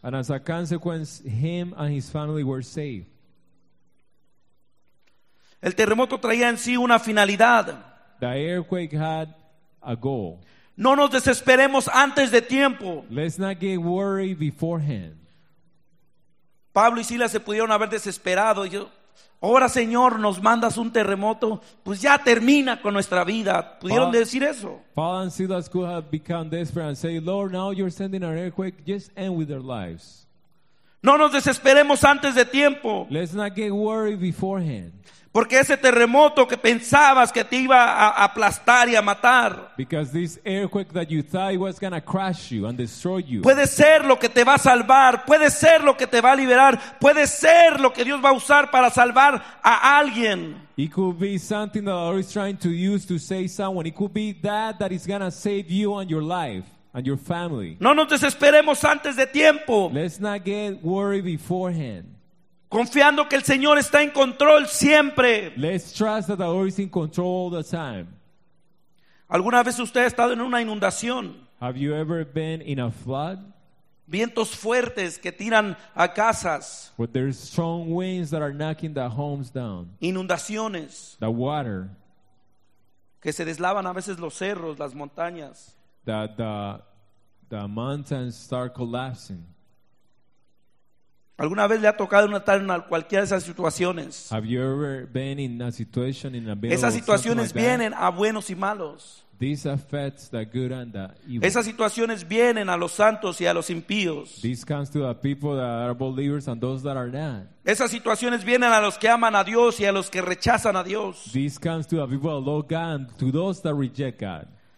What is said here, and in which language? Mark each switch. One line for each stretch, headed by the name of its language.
English: And as a consequence, him and his family were saved.
Spanish: El terremoto traía en sí una finalidad.
English: The earthquake had a goal.
Spanish: No nos desesperemos antes de tiempo.
English: Let's not get worried beforehand.
Spanish: Pablo y Silas se pudieron haber desesperado. Yo, ahora Señor, nos mandas un terremoto, pues ya termina con nuestra vida. ¿Pudieron decir eso?
English: Paul and Silas could have become desperate and say, Lord, now you're sending an earthquake, just end with their lives.
Spanish: No nos desesperemos antes de tiempo.
English: Let's not get worried beforehand.
Spanish: Porque ese terremoto que pensabas que te iba a aplastar y a matar.
English: Because this earthquake that you thought was going to crush you and destroy you.
Spanish: Puede ser lo que te va a salvar. Puede ser lo que te va a liberar. Puede ser lo que Dios va a usar para salvar a alguien.
English: It could be something that the Lord is trying to use to save someone. It could be that that is going to save you and your life. And your family.
Spanish: No nos desesperemos antes de tiempo.
English: Let's not get worried beforehand.
Spanish: Confiando que el Señor está en control siempre.
English: Let's trust that the Lord is in control all the time.
Spanish: ¿Alguna vez usted ha estado en una inundación?
English: Have you ever been in a flood?
Spanish: Vientos fuertes que tiran a casas.
English: Where there's strong winds that are knocking the homes down.
Spanish: Inundaciones.
English: The water.
Spanish: Que se deslavan a veces los cerros, las montañas.
English: That the mountains start collapsing.
Spanish: ¿Alguna vez le ha tocado estar en cualquiera de esas situaciones?
English: Have you ever been in a situation in a bit?
Spanish: Esas situaciones
English: like
Spanish: vienen
English: that?
Spanish: A buenos y malos.
English: This affects the good and the evil.
Spanish: Esas situaciones vienen a los santos y a los impíos.
English: This comes to the people that are believers and those that are not.
Spanish: Esas situaciones vienen a los que aman a Dios y a los que rechazan a Dios.
English: This comes to the people that love God and to those that reject God.